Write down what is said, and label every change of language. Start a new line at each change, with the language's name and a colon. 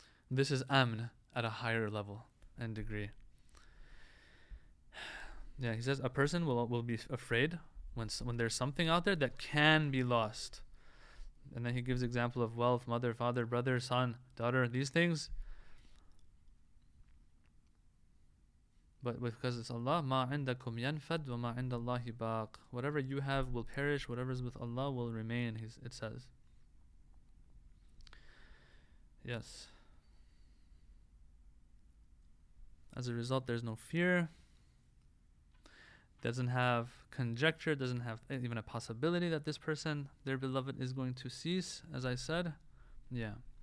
English: This is amn at a higher level and degree. Yeah, he says a person will be afraid when there's something out there that can be lost. And then he gives example of wealth, mother, father, brother, son, daughter, these things. But because it's Allah,
Arabic: ما عندكم ينفد وما عند الله باق.
English: Whatever you have will perish, whatever is with Allah will remain, it says. Yes. As a result, there's no fear. Doesn't have conjecture, doesn't have even a possibility that this person, their beloved, is going to cease, as I said. Yeah.